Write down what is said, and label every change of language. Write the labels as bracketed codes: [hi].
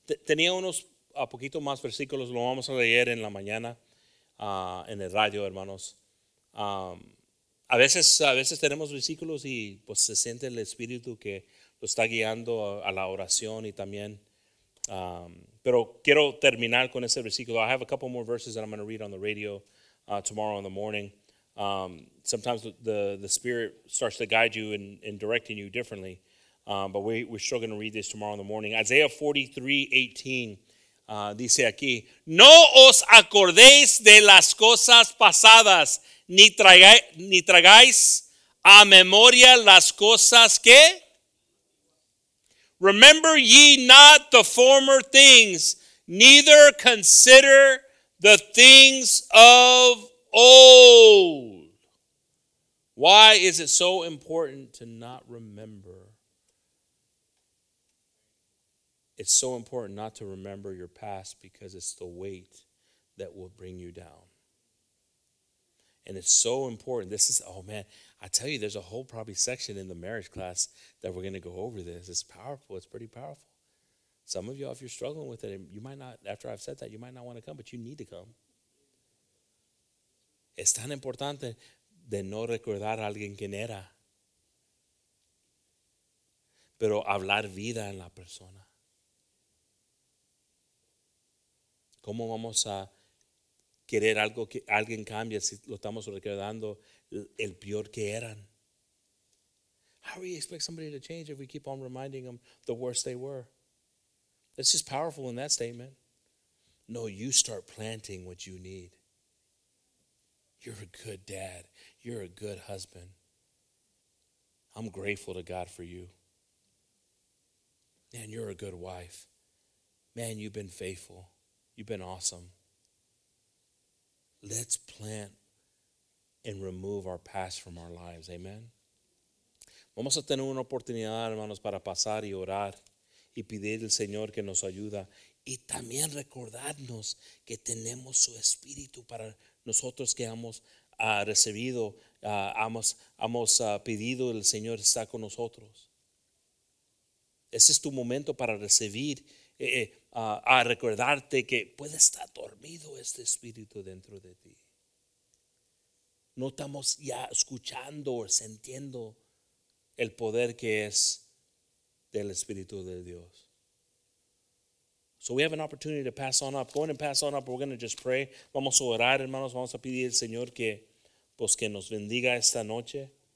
[es] Tenía unos a poquito más versículos. Lo vamos a leer en la mañana en el radio, hermanos. A veces tenemos versículos y pues se siente el Espíritu que lo está guiando a la oración y también. Pero quiero terminar con ese versículo. [en] I have a couple more verses that I'm going to read on the radio tomorrow in the morning. Sometimes the Spirit starts to guide you and directing you differently. But we're still going to read this tomorrow in the morning. [es] Isaiah 43:18 dice aquí, no os acordéis de las cosas pasadas, ni tragáis a memoria las cosas que... [en] Remember ye not the former things, neither consider the things of old. Why is it so important to not remember? It's so important not to remember your past because it's the weight that will bring you down. And it's so important. This is, oh man, I tell you, there's a whole probably section in the marriage class that we're going to go over this. It's powerful. It's pretty powerful. Some of y'all, if you're struggling with it, you might not, after I've said that, you might not want to come, but you need to come. [es] Es tan importante de no recordar a alguien quien era. Pero hablar vida en la persona. ¿Cómo vamos a querer algo que alguien cambie si lo estamos recordando el peor que eran? [en] How do we expect somebody to change if we keep on reminding them the worst they were? It's just powerful in that statement. No, you start planting what you need. You're a good dad. You're a good husband. I'm grateful to God for you. Man, you're a good wife. Man, you've been faithful. You've been awesome. Let's plant and remove our past from our lives. Amen. [es] Vamos a tener una oportunidad, hermanos, para pasar y orar y pedir al Señor que nos ayuda. Y también recordarnos que tenemos su Espíritu para nosotros que hemos recibido, hemos pedido el Señor está con nosotros. Ese es tu momento para recibir, a recordarte que puede estar dormido este Espíritu dentro de ti. No estamos ya escuchando o sintiendo el poder que es del Espíritu de Dios. [en] So we have an opportunity to pass on up. Go ahead and pass on up. We're going to just pray. [es] Vamos a orar, hermanos. Vamos a pedir al Señor que, pues, que nos bendiga esta noche.